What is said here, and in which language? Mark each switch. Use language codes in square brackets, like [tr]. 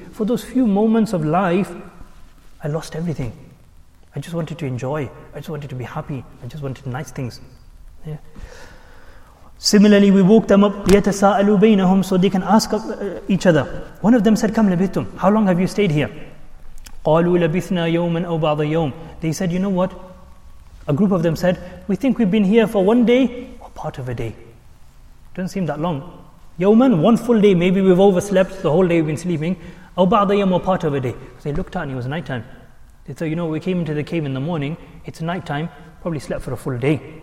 [en] For those few moments of life, I lost everything. I just wanted to enjoy. I just wanted to be happy. I just wanted nice things. Yeah. Similarly, we woke them up, [ar] يَتَسَاءَلُوا بَيْنَهُمْ [en] So they can ask each other. One of them said, [ar] كَمْ لَبِثْتُمْ [en] How long have you stayed here? [ar] قَالُوا لَبِثْنَا يَوْمًا أَوْ بَعْضَ يَوْمٍ [en] They said, you know what? A group of them said, we think we've been here for one day or part of a day. Doesn't seem that long. يَوْمًا, one full day, maybe we've overslept the whole day we've been sleeping. [ar] أَوْ بَعْضَ يَوْمٍ [en] or part of a day. So they looked out and it was nighttime. They said, you know, we came into the cave in the morning, it's nighttime, probably slept for a full day.